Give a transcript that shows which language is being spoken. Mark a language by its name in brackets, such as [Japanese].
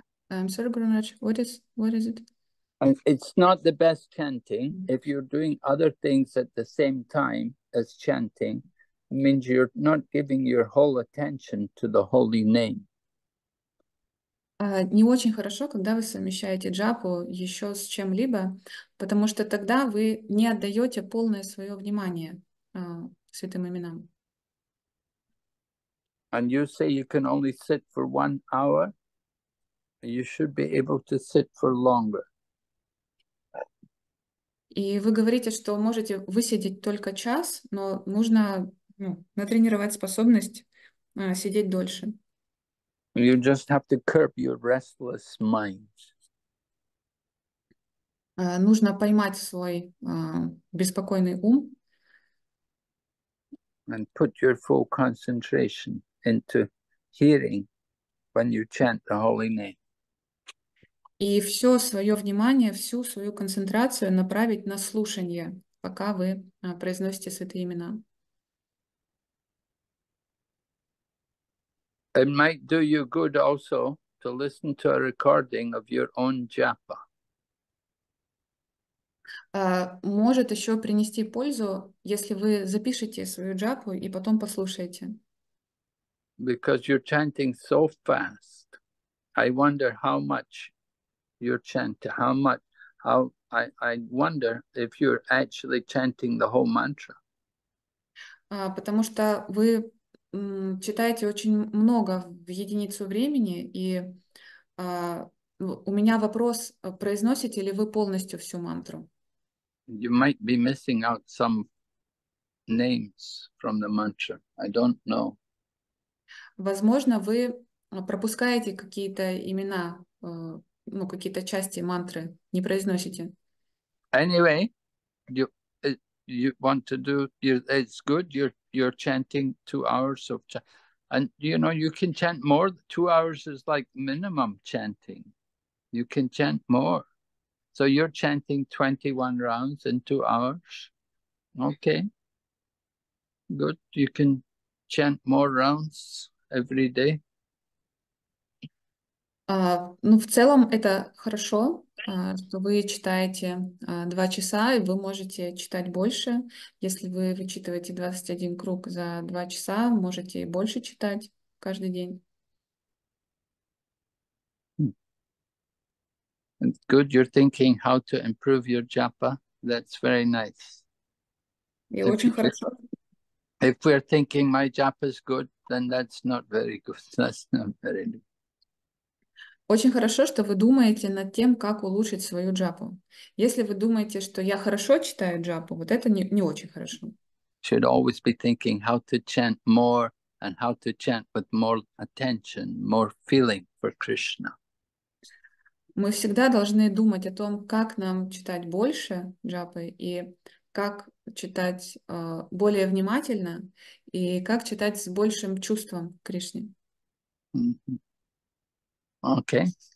[English] I'm sorry, Guru Maharaj. What is it? It's not the best chanting. If you're doing other things at the same time as chanting, it means you're not giving your whole attention to the holy name. [Russian] Не очень хорошо, когда вы совмещаете джапу еще с чем-либо, потому что тогда вы не отдаете полное свое внимание святым именам. [English] And you say you can only sit for 1 hour, you should be able to sit for longer. [Russian] И вы говорите, что можете высидеть только час, но нужно, ну, натренировать способность сидеть дольше. [English] You just have to curb your restless mind. [Russian] Нужно поймать свой беспокойный ум. [English] And put your full concentration into hearing when you chant the holy name. [Russian] И все свое внимание, всю свою концентрацию направить на слушание, пока вы произносите святые имена. [English] It might do you good also to listen to a recording of your own japa. [Russian] Может еще принести пользу, если вы запишете свою джапу и потом послушаете. [English] Because you're chanting so fast, I wonder how much you're chanting, how much, how, I wonder if you're actually chanting the whole mantra. [Russian] Потому что вы читаете очень много в единицу времени, и у меня вопрос, произносите ли вы полностью всю мантру? [English] You might be missing out some names from the mantra. I don't know. [Russian] Возможно, вы пропускаете какие-то имена, ну, какие-то части мантры, не произносите. [English] Anyway, you want to do your, it's good. You're chanting 2 hours of chant, and you know you can chant more. 2 hours is like minimum chanting. You can chant more, so you're chanting 21 rounds in 2 hours. Okay, good. You can chant more rounds every day. [Russian] Ну, в целом это хорошо, что вы читаете 2 часа, и вы можете читать больше. Если вы вычитываете 21 круг за 2 часа, можете больше читать каждый день. [English] Good, you're thinking how to improve your japa. That's very nice. [Russian] И очень хорошо. [English] If we're thinking my japa is good, then that's not very good. That's not very good. [Russian] Очень хорошо, что вы думаете над тем, как улучшить свою джапу. Если вы думаете, что я хорошо читаю джапу, вот это не очень хорошо. [English] Should always be thinking how to chant more and how to chant with more attention, more feeling for Krishna. [Russian] Мы всегда должны думать о том, как нам читать больше джапы и как читать более внимательно и как читать с большим чувством Кришне. Окей.